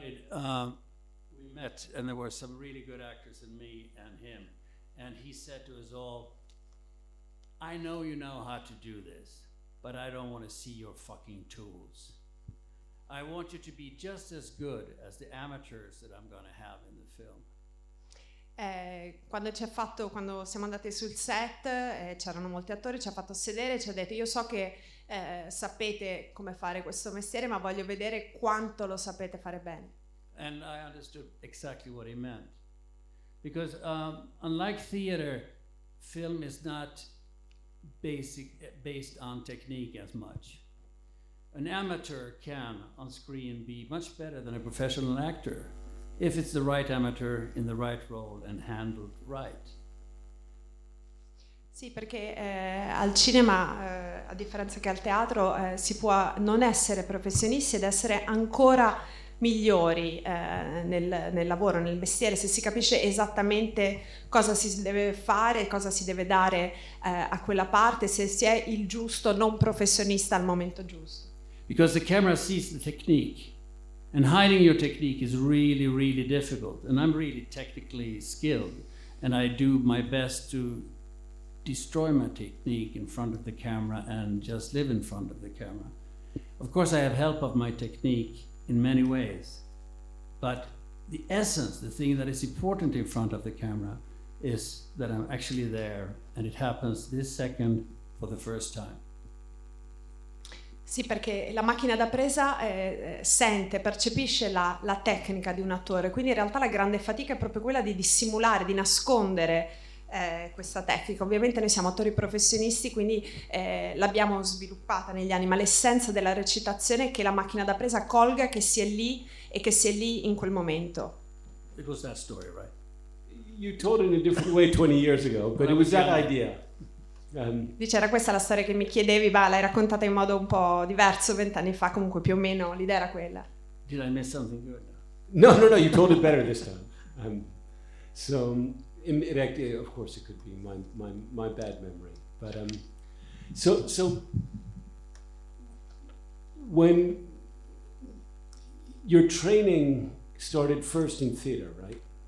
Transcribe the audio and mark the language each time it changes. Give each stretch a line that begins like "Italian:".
English: We met, and there were some really good actors in me and him, and he said to us all, I know you know how to do this, but I don't want to see your fucking tools. I want you to be just as good as the amateurs that I'm going to have in the film.
Italian: Quando siamo andati sul set, c'erano molti attori, ci ha fatto sedere e ci ha detto, io so che sapete come fare questo mestiere, ma voglio vedere quanto lo sapete fare bene.
English: And I understood exactly what he meant. Because unlike theater, film is not based on technique as much. An amateur can, on screen, be much better than a professional actor, if it's the right amateur in the right role and handled right.
Italian: Sì, perché al cinema, a differenza che al teatro, si può non essere professionisti ed essere ancora migliori nel lavoro, nel mestiere, se si capisce esattamente cosa si deve fare, cosa si deve dare a quella parte, se si è il giusto non professionista al momento giusto.
English: Because the camera sees the technique, and hiding your technique is really, really difficult. And I'm really technically skilled, and I do my best to destroy my technique in front of the camera and just live in front of the camera. Of course, I have help of my technique in many ways, but the essence, the thing that is important in front of the camera, is that I'm actually there, and it happens this second for the first time.
Italian: Sì, perché la macchina da presa sente, percepisce la tecnica di un attore, quindi in realtà la grande fatica è proprio quella di dissimulare, di nascondere questa tecnica. Ovviamente noi siamo attori professionisti, quindi l'abbiamo sviluppata negli anni, ma l'essenza della recitazione è che la macchina da presa colga che si è lì e che si è lì in quel momento.
English: It was that story, right? You told it in a different way 20 years ago, but it was that idea.
Italian: Dice, era questa la storia che mi chiedevi, ma l'hai raccontata in modo un po' diverso 20 anni fa, comunque più o meno l'idea era quella.
English: Did I miss something good? No, you told it better this time. Of course it could be my bad memory. But so when your training started first in theater, right?